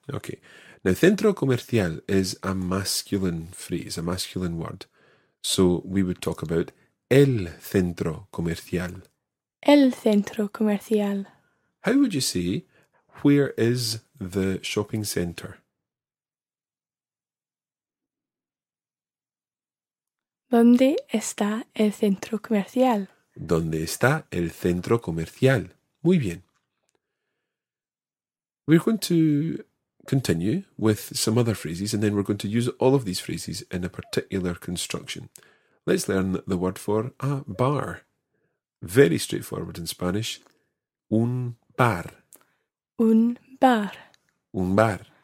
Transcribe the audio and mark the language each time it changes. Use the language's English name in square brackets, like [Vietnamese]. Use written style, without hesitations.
[English] Okay. Now, centro comercial is a masculine phrase, a masculine word. So we would talk about [Spanish] el centro comercial. El centro comercial. [English] How would you say, where is the shopping centre? [Spanish] ¿Dónde está el centro comercial? ¿Dónde está el centro comercial? Muy bien. [English] We're going to continue with some other phrases, and then we're going to use all of these phrases in a particular construction. Let's learn the word for a bar. Very straightforward in Spanish. [Spanish] Un bar. Un bar. Un bar.